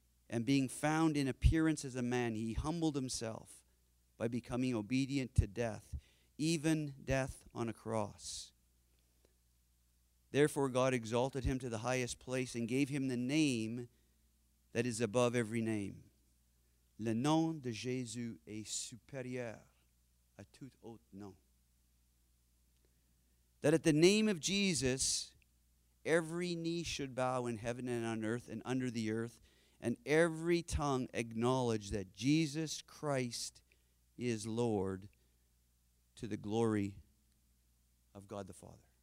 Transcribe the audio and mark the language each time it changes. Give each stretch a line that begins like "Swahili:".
English: And being found in appearance as a man, he humbled himself by becoming obedient to death, even death on a cross. Therefore, God exalted him to the highest place and gave him the name that is above every name.
French: Le nom de Jésus est supérieur à tout autre nom.
English: That at the name of Jesus, every knee should bow in heaven and on earth and under the earth, and every tongue acknowledge that Jesus Christ is Lord, to the glory of God the Father.